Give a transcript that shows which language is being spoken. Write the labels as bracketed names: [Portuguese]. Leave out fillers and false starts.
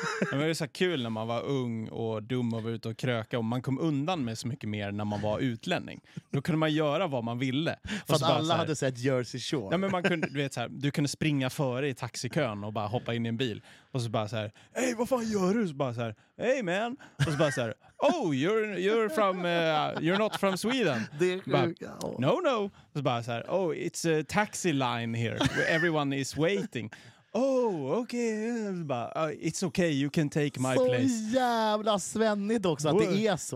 [Swedish] Men det är så kul när man var ung och dum och var ute och kröka och man kom undan med så mycket mer när man var utlänning. Då kunde man göra vad man ville. För att alla hade sett Jersey Shore. Nej, men man kunde, du vet så här, du kunde springa före i taxikön och bara hoppa in i en bil. Och så bara så här, hej, vad fan gör du? Så bara så här, [English] hey man. [Swedish] Och så bara så här, [English] oh, you're from, you're not from Sweden. [Swedish] Det är bara, [English] no, no. [Swedish] Och så bara så här, [English] oh, it's a taxi line here where everyone is waiting. Oh, okay. It's okay. You can take my [Swedish] så [English] place. [Swedish] Så jävla svennigt också att det är så.